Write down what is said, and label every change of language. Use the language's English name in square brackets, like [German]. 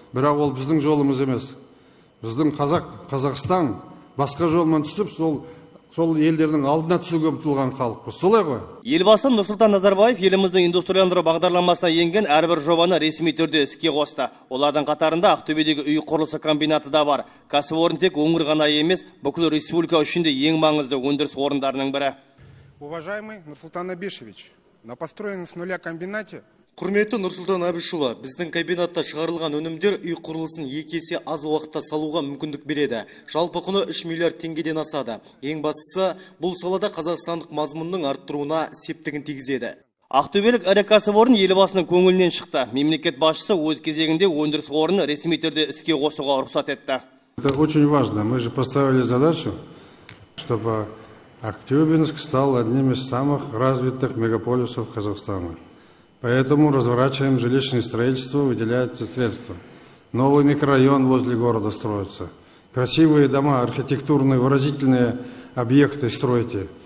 [Kazakh] Бірақ ол біздің жолымыз емес. Біздің Қазақстан басқа жолмен түсіп, сол елдердің алдына түсуге ұмтылған халық. Солай ғой. Елбасы Нұрсұлтан Назарбаев еліміздің индустрияландыру бағдарламасына енген әрбір жобаны ресми түрде іске қосты. Олардың қатарында Ақтөбедегі үй құрылысы комбинаты да бар. Кәсіпорын тек өңір ғана емес, бүкіл республика үшін де ең маңызды өндіріс орындарының бірі. [Russian] Уважаемый Нұрсұлтан Абишевич, на построенном с нуля комбинате. [Kazakh] Құрметті Нұрсұлтан Абишұлы, біздің кабинатта шығарылған өнімдер үй құрылысын екесе аз уақытта салуға мүмкіндік береді. Жалпы құны 3 миллиард теңгеден асады. Ең бастысы, бұл салада қазақстандық мазмұнның арттыруына септігін тигізеді. Ақтөбелік ірі кәсіпорын елбасының көңілінен шықты. Мемлекет басшысы өз кезегінде өндіріс орнын ресми түрде іске қосуға рұқсат етті. [Russian] Это очень важно. Мы же поставили задачу, чтобы Актюбинск стал одним из самых развитых мегаполисов Казахстана. Поэтому разворачиваем жилищное строительство, выделяются средства. Новый микрорайон возле города строится. Красивые дома, архитектурные, выразительные объекты стройте.